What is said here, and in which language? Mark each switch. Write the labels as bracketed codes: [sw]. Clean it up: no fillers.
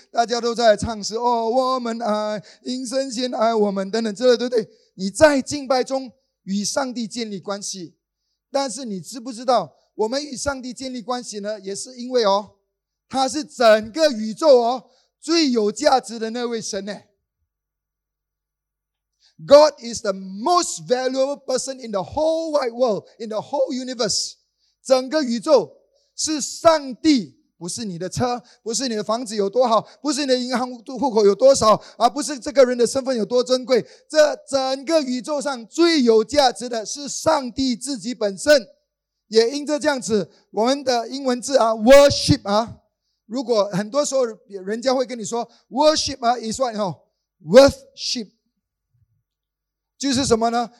[zh] 大家都在唱诗，哦，我们爱，因神先爱我们，等等之类，对不对？你在敬拜中与上帝建立关系，但是你知不知道，我们与上帝建立关系呢，也是因为哦，他是整个宇宙哦最有价值的那位神呢。 [en] God is the most valuable person in the whole wide world, in the whole universe. [zh] 整个宇宙是上帝，不是你的车，不是你的房子有多好，不是你的银行户口有多少，而不是这个人的身份有多珍贵。这整个宇宙上最有价值的是上帝自己本身。也因着这样子，我们的英文字啊 ,worship 啊，如果很多时候人家会跟你说 [en] worship is what [zh] worship 就是什么呢？